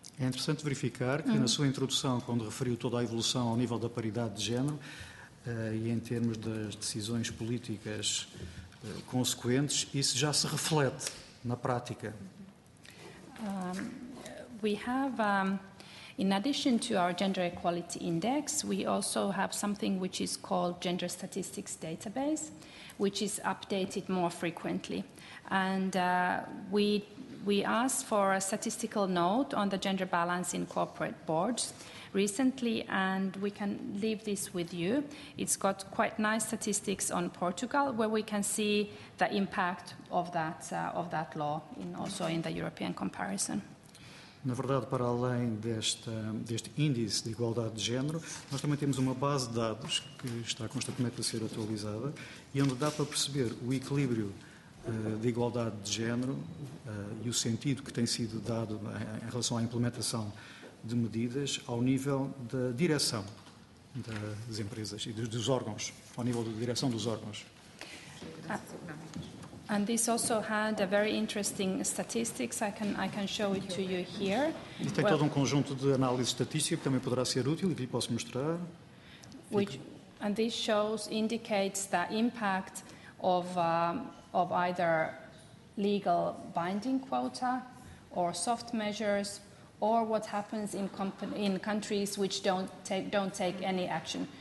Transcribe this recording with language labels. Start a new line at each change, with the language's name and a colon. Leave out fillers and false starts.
Portuguese: É interessante verificar que na sua introdução, quando referiu toda a evolução ao nível da paridade de género e em termos das decisões políticas consequentes, isso já se reflete na prática.
English: We have, in addition to our gender equality index, we also have something which is called gender statistics database, which is updated more frequently. And we asked for a statistical note on the gender balance in corporate boards recently, and we can leave this with you. It's got quite nice statistics on Portugal, where we can see the impact of that law also in the European comparison.
Portuguese: Na verdade, para além deste índice de igualdade de género, nós também temos uma base de dados que está constantemente a ser atualizada e onde dá para perceber o equilíbrio de igualdade de género e o sentido que tem sido dado em relação à implementação de medidas ao nível da direção das empresas e dos órgãos, ao nível da direção dos órgãos.
English: And this also had a very interesting statistics. I can show it to you here.
Portuguese: E tem todo um conjunto de análise estatística que também poderá ser útil e que lhe posso mostrar.
English: And this indicates the impact of either legal binding quota or soft measures, or what happens in countries which don't take any action.